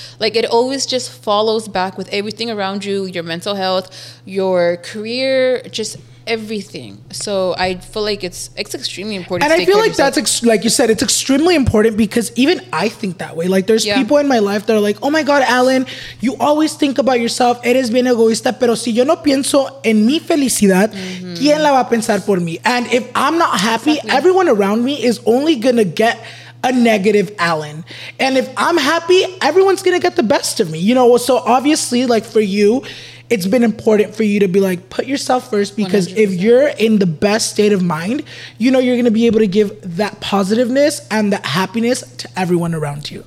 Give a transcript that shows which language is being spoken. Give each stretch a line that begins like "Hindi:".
English: Like it always just follows back with everything around you, your mental health, your career, just everything. So I feel like it's extremely important. And I feel like that's like you said, it's extremely important because even I think that way. Like there's people in my life that are like, oh my God, Alan, you always think about yourself.
Spanish: Eres bien egoísta, pero si yo no pienso en mi felicidad, ¿quién la va a pensar por mí?
English: And if I'm not happy, everyone around me is only going to get a negative Alan. And if I'm happy, everyone's going to get the best of me. You know, so obviously like for you, it's been important for you to be like, put yourself first because 100%. If you're in the best state of mind, you know you're going to be able to give that positiveness and that happiness to everyone around you.